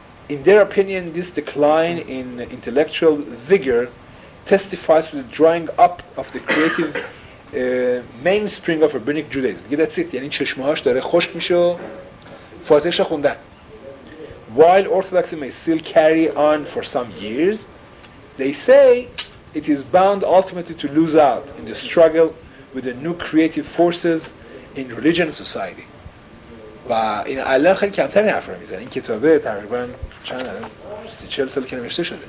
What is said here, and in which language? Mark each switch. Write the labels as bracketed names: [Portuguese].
[English] In their opinion, this decline in intellectual vigor testifies to the drying up of the creative mainspring of rabbinic Judaism. [Persian] میگه [English] that's it. [Persian] یعنی چشمهاش داره خشک میشه و فاتحش خوندن. [English] While orthodoxy may still carry on for some years, they say it is bound ultimately to lose out in the struggle with the new creative forces in religion and society. [Persian] و این الان خیلی کمتر حرف رو میزنه. این کتابه تقریبا چند الان 30-40 سال که نوشته شده.